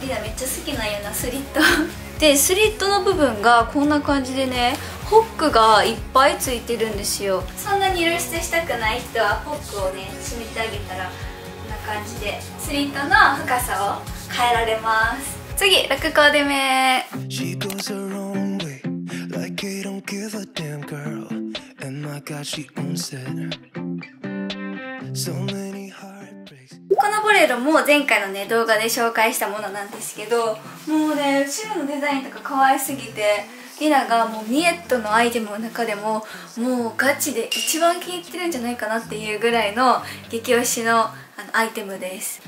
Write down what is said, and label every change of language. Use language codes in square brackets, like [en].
[ja] リナめっちゃ好きなようなスリットで、スリットの部分がこんな感じでねホックがいっぱいついてるんですよ。そんなに露出したくない人はホックをね締めてあげたら、こんな感じでスリットの深さを変えられます。次6コーデ目。 [en] She goes her own way, like I don't give a damn girl, and my God, she owns it. So many heartbreaks. [ja] このボレロも前回のね動画で紹介したものなんですけど、もうね後ろのデザインとか可愛すぎて、リナがもうミエットのアイテムの中でももうガチで一番気に入ってるんじゃないかなっていうぐらいの激推しのアイテムです。